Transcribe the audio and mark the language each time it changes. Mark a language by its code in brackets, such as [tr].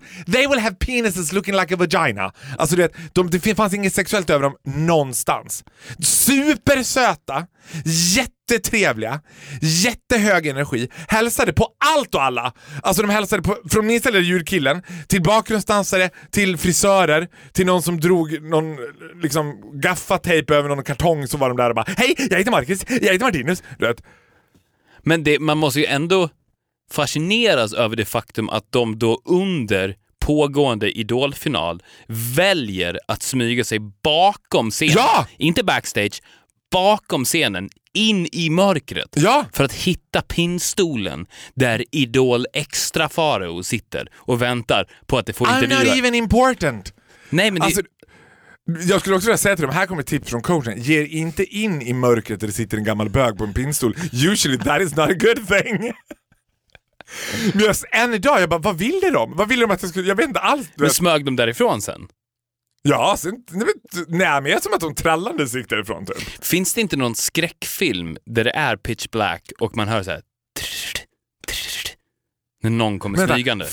[en] Men, they will have penises looking like a vagina. [sv] Alltså du vet, det fanns inget sexuellt över dem någonstans. Supersöta, jättetrevliga, jättehög energi. Hälsade på allt och alla. Alltså de hälsade på, från minst eller djurkillen till bakgrundsdansare, till frisörer, till någon som drog någon liksom gaffatejp över någon kartong, så var de där och bara, hej, jag heter Marcus, jag heter Martinus. Du vet. Men det, man måste ju ändå fascineras över det faktum att de då under pågående idolfinal väljer att smyga sig bakom scenen. Ja! Inte backstage, bakom scenen, in i mörkret, ja, för att hitta pinnstolen där Idol Extra Faro sitter och väntar på att det får intervjua. [en] I'm not even important. [sv] Nej, men alltså, jag skulle också vilja säga till dem, här kommer ett tips från coachen. Ge inte in i mörkret där det sitter en gammal bög på en pinnstol. [en] Usually that is not a good thing. [sv] Men just än idag, jag bara, vad ville de? Vad ville de att jag skulle, jag vet inte alls. Men smög de därifrån sen? Ja, sen, nej, men jag är som att de trallande sig därifrån typ. Finns det inte någon skräckfilm där det är [en] pitch black [sv] och man hör så här trrr, trrr, när någon kommer smygande?